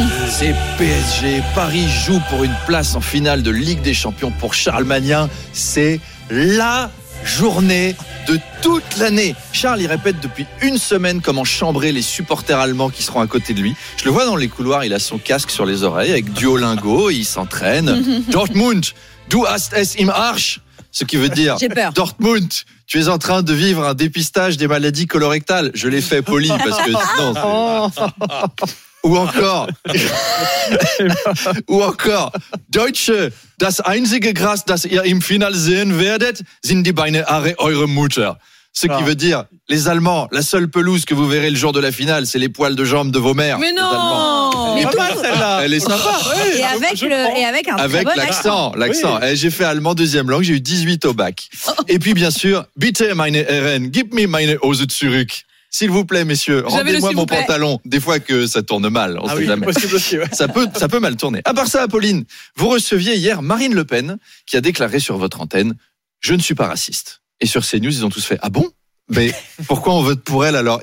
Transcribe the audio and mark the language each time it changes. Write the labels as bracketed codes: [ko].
[fr] C'est PSG. Paris joue pour une place en finale de Ligue des Champions pour Charlemagne. C'est la journée de toute l'année. Charles, il répète depuis une semaine comment chambrer les supporters allemands qui seront à côté de lui. Je le vois dans les couloirs, il a son casque sur les oreilles avec Duolingo, il s'entraîne. [de] Dortmund, du hast es im Arsch. [fr] Ce qui veut dire, j'ai peur. Dortmund, tu es en train de vivre un dépistage des maladies colorectales. Je l'ai fait poli parce que... Non, ou encore, ou encore, [de] Deutsche, das einzige Gras, das ihr im Final sehen werdet, sind die Beine eurer Mutter. [fr] Ce qui veut dire, les Allemands, la seule pelouse que vous verrez le jour de la finale, c'est les poils de jambes de vos mères. Mais non! Mais toi, celle-là! Elle est sympa! Et avec, avec bon l'accent. L'accent. Oui. J'ai fait allemand deuxième langue, j'ai eu 18 au bac. Et puis, bien sûr, [de] bitte meine Herren, gib mir meine Hose zurück. [fr] S'il vous plaît, messieurs, j'avais rendez-moi mon plaît. Pantalon. Des fois que ça tourne mal, on ah sait oui, jamais. Possible aussi, ouais. Ça peut mal tourner. À part ça, Apolline, vous receviez hier Marine Le Pen, qui a déclaré sur votre antenne, je ne suis pas raciste. Et sur CNews, ils ont tous fait, ah bon? Mais pourquoi on vote pour elle alors?